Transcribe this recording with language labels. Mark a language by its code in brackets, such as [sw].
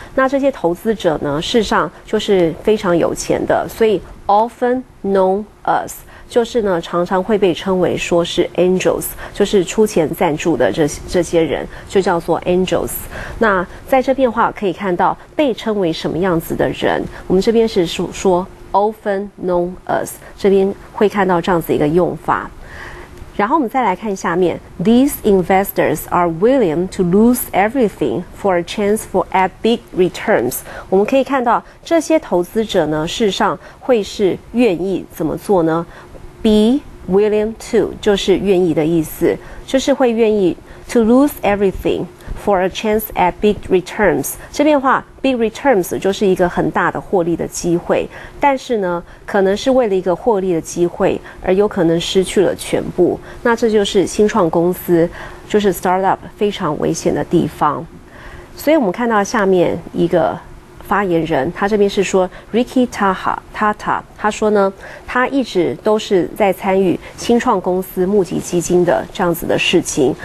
[zh] 那这些投资者呢，事实上就是非常有钱的，所以 [en] often known as [zh] 就是呢常常会被称为说是 angels， 就是出钱赞助的这些人就叫做 angels。那在这边的话可以看到被称为什么样子的人，我们这边是说 [en] often known as， [zh] 这边会看到这样子一个用法。然后我们再来看下面， [en] these investors are willing to lose everything for a chance for at big returns。 [zh] 我们可以看到这些投资者呢事实上会是愿意怎么做呢？ [en] be willing to [zh] 就是愿意的意思，就是会愿意 [en] to lose everything for a chance at big returns。 [zh] 这边的话 [en] Big returns [zh] 就是一个很大的获利的机会，但是呢可能是为了一个获利的机会而有可能失去了全部。那这就是新创公司就是 startup 非常危险的地方。所以我们看到下面一个发言人，他这边是说 Ricky Tata， 他说呢他一直都是在参与新创公司募集基金的这样子的事情。